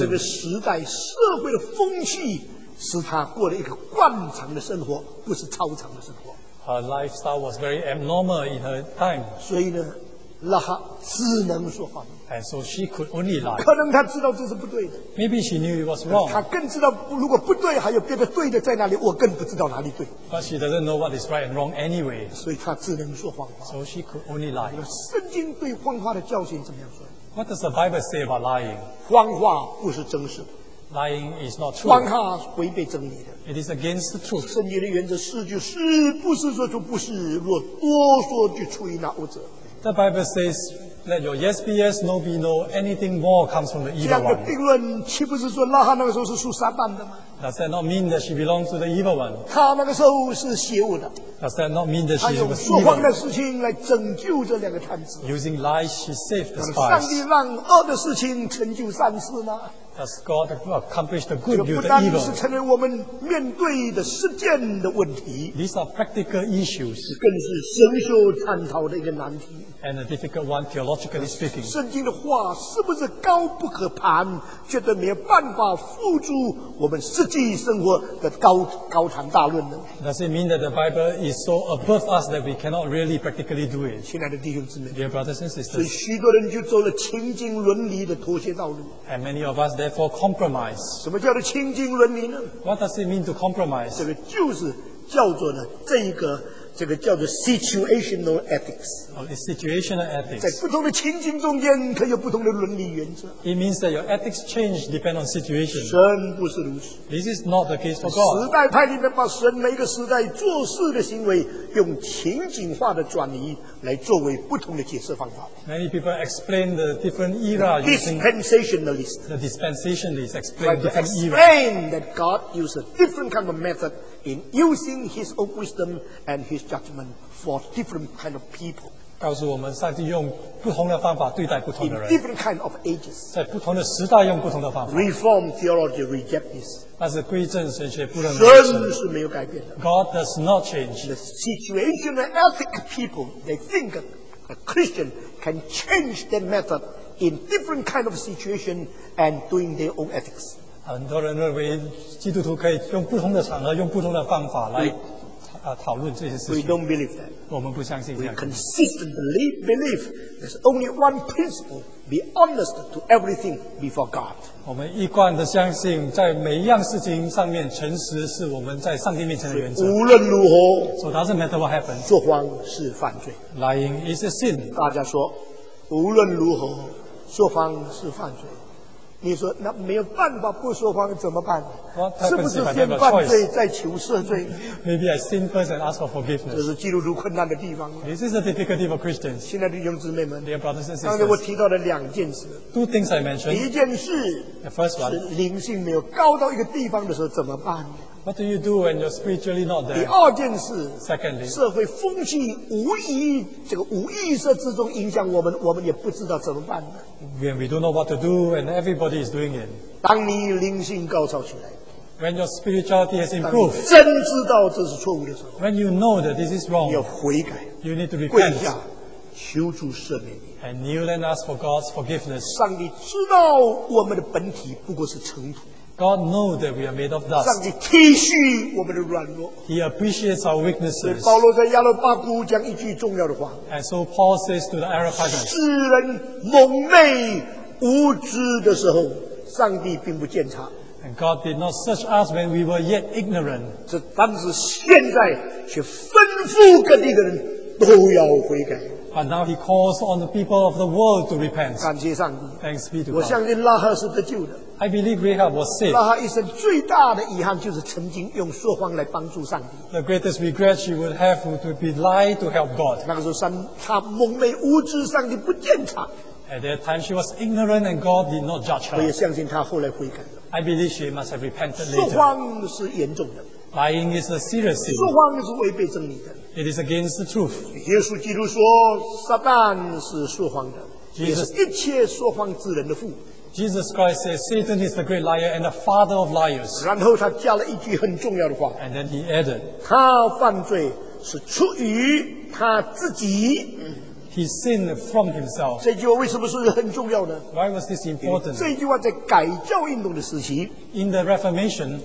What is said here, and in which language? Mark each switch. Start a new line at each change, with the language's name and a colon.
Chinese: 这个时代社会的风气使她过了一个惯常的生活，不是超常的生活。
English: Her lifestyle was very abnormal in her time.
Chinese: 所以呢，拉哈只能说谎。
English: And so she could only lie.
Chinese: 可能她知道这是不对的。
English: Maybe she knew it was wrong.
Chinese: 她更知道，如果不对，还有别的对的在哪里，我更不知道哪里对。
English: But she doesn't know what is right and wrong anyway.
Chinese: 所以她只能说谎话。
English: So she could only lie.
Chinese: 圣经对谎话的教训怎么样说
English: ？What does the Bible say about lying?
Chinese: 谎话不是真实的。
English: Lying is not true.
Chinese: 谎话违背真理的。
English: It is against the truth.
Chinese: 圣经的原则是就是，不是说就不是。若多说，就出于那恶者。
English: The Bible says. Let your yes be yes, no be no. Anything more comes from the evil one.
Chinese: 这样的定论岂不是说拉哈那个时候是属撒旦的吗？
English: Does that not mean that she belongs to the evil one?
Chinese: 她那个时候是邪恶的。
English: Does that not mean that she was evil?
Chinese: 她用说谎的事情来拯救这两个探子。
English: Using lies, she saved the spies.
Chinese: 上帝让恶的事情成就善事吗？
English: Does God accomplish the good with the evil?
Chinese: 这不单是成为我们面对的实践的问题。
English: These are practical issues.
Chinese: 更是神学探讨的一个难题。
English: And a difficult one, theologically speaking.
Chinese: 圣经的话是不是高不可攀，觉得没有办法付诸我们实际生活的高谈大论呢？
English: Does it mean that the Bible is so above us that we cannot really practically do it?
Chinese: 亲爱的弟兄姊妹，
English: Dear brothers and sisters.
Chinese: 所以许多人就走了情经伦理的妥协道路。
English: And many of us therefore compromise.
Chinese: 什么叫做情经伦理呢？
English: What does it mean to compromise?
Chinese: 这个就是叫做呢这一个这个叫做 situational ethics.
English: Situational ethics.
Chinese: 在不同的情境中间，可有不同的伦理原则。
English: It means that your ethics change depend on situation.
Chinese: 神不是如此。
English: This is not the case for God.
Chinese: 时代派里面把神每个时代做事的行为用情景化的转移来作为不同的解释方法。
English: Many people explain the different era. Dispensationalist. The dispensationalist explain different era. Explain that God used a different kind of method. In using his own wisdom and his judgment for different kind of people.
Chinese: 告诉我们，上帝用不同的方法对待不同的人。
English: In different kind of ages.
Chinese: 在不同的时代用不同的方法。
English: Reform theology rejects this.
Chinese: 但是归正神学不能认识。神是没有改变的。
English: God does not change. The situation and ethical people, they think a Christian can change their method in different kind of situation and doing their own ethics.
Chinese: 很多人认为基督徒可以用不同的场合用不同的方法来讨论这些事情。
English: We don't believe that.
Chinese: 我们不相信这样。
English: We consistently believe there's only one principle. Be honest to everything before God.
Chinese: 我们一贯的相信在每一样事情上面诚实是我们在上帝面前的原则。无论如何。
English: So doesn't matter what happens.
Chinese: 说谎是犯罪。
English: Lying is a sin.
Chinese: 大家说无论如何说谎是犯罪。你说那没有办法不说谎怎么办？
English: Well,
Chinese: 是不是先犯罪再求赦罪？
English: Maybe I sin first and ask for forgiveness.
Chinese: 这是基督徒困难的地方。
English: This is the difficulty for Christians.
Chinese: 亲爱的弟兄姊妹们，
English: Dear brothers and sisters,
Chinese: 刚才我提到了两件事。
English: Two things I mentioned.
Chinese: 第一件事，
English: The first one,
Chinese: 是灵性没有高到一个地方的时候怎么办？
English: What do you do when you're spiritually not there?
Chinese: 第二件事，
English: Secondly,
Chinese: 社会风气无意这个无意识之中影响我们，我们也不知道怎么办。
English: When we don't know what to do and everybody is doing it.
Chinese: 当你灵性高潮起来，
English: When your spirituality has improved.
Chinese: 真知道这是错误的时候，
English: When you know that this is wrong.
Chinese: 你要悔改，
English: You need to repent.
Chinese: 跪下求主赦免你。
English: And kneel and ask for God's forgiveness.
Chinese: 上帝知道我们的本体不过是尘土。
English: God knows that we are made of dust.
Chinese: 上帝体恤我们的软弱。
English: He appreciates our weaknesses.
Chinese: 所以保罗在亚罗巴谷讲一句重要的话。
English: And so Paul says to the Areopagus.
Chinese: 世人蒙昧无知的时候，上帝并不鉴察。
English: And God did not search us when we were yet ignorant.
Chinese: 这但是现在却吩咐各地的人都要悔改。
English: But now he calls on the people of the world to repent.
Chinese: 感谢上帝。
English: Thanks be to God.
Chinese: 我相信拉合是得救的。
English: I believe Rahab was saved.
Chinese: 拉合一生最大的遗憾就是曾经用说谎来帮助上帝。
English: The greatest regret she would have would be lie to help God.
Chinese: 那个时候他蒙昧无知，上帝不鉴察。
English: At that time, she was ignorant, and God did not judge her.
Chinese: 我也相信她后来悔改了。
English: I believe she must have repented later.
Chinese: 说谎是严重的。
English: Lying is a serious sin.
Chinese: 说谎是违背真理的。
English: It is against the truth.
Chinese: 耶稣基督说，撒旦是说谎的，也是一切说谎之人的父。
English: Jesus Christ says Satan is the great liar and the father of liars.
Chinese: 然后他加了一句很重要的话。
English: And then he added,
Chinese: 他犯罪是出于他自己。
English: He sinned from himself.
Chinese: 这句话为什么是很重要呢？
English: Why was this important?
Chinese: 这句话在改教运动的时期，
English: In the Reformation,